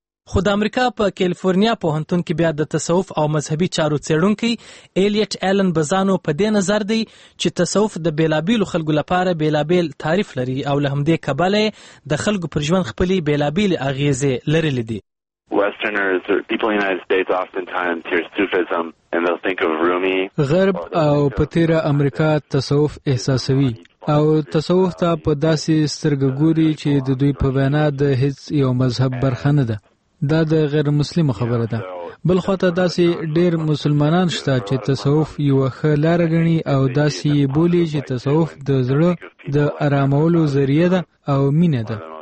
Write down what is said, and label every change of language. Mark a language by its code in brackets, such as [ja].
[ps] خو د امریکا په کالیفورنیا پوهنتون کې بیا د تصوف او مذهبي چارو څېړونکی ایلیټ ایلن بزانو په دې نظر دی چې تصوف د بیلابیلو خلکو لپاره بیلابیل تعریف لري، او له همدې کبله د خلکو پر ژوند خپلې بیلابیل اغیزې لرلې دي. [en] Westerners or people in the United States oftentimes hear Sufism and they'll think of Rumi. [ps] غرب او پتیره امریکا تصوف احساسوي، او تصوف ته په داسې سترګوري چې د دوی په وینا د هیڅ یو مذهب برخه نه ده، دا د غیر مسلمان خبره ده. بل خواته داسې ډیر مسلمانان شته چې تصوف یو ښه لار غني، او داسې بولی چې تصوف د زړه د آرامولو ذریعہ ده او مینه ده.